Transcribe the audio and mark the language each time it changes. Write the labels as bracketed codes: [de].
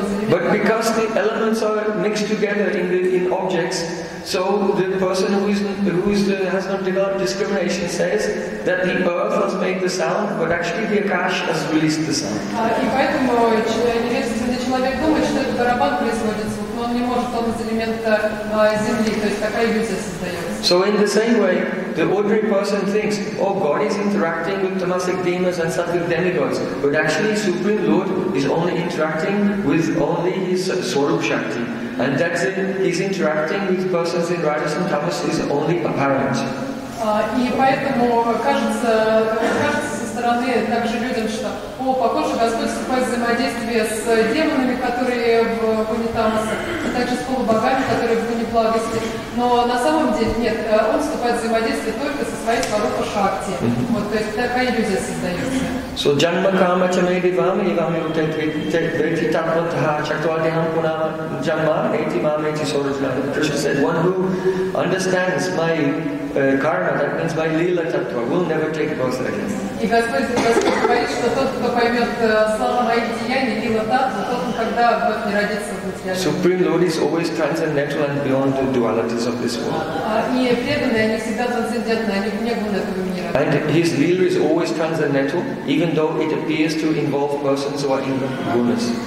[en] But because the elements are mixed together in objects, So the person who has not developed discrimination says that the earth has made the sound, but actually the Akash has released the sound. [ru] И поэтому человек думает, что это барабан производит звук, но он не может, он из элемента земли, то есть такая иллюзия создается. [en] So in the same way, the ordinary person thinks, oh, God is interacting with tamasic demons and sattvic demigods, but actually Supreme Lord is only interacting with only His Swarup Shakti. And that's it, He's interacting with persons in Rajas and Tamas is only apparent. [ru] И поэтому кажется со стороны также людям, что, о, похоже, Господь вступает в взаимодействие с демонами, которые в Гуне Тамаса, а также с полубогами, которые в Гуне Благости. Но на самом деле нет, он вступает в взаимодействие только со своей Сварупа Шакти. Mm-hmm. Вот, то есть такая иллюзия создается. [sa] So janma kama cha medi vami vami utetveti tapvataha chaktuadiham punam janma eti vami eti sorajna. [en] Krishna said, one who understands my karma, that means my lila tattva, will never take birth again. [ru] И Господь говорит, что тот, кто поймет слова моих деяний, лила тат, тот никогда не родится в материале. [en] Supreme Lord is always transcendental and beyond the dualities of this world. And His lila is always transcendental, even though it appears to involve persons who are in gunas.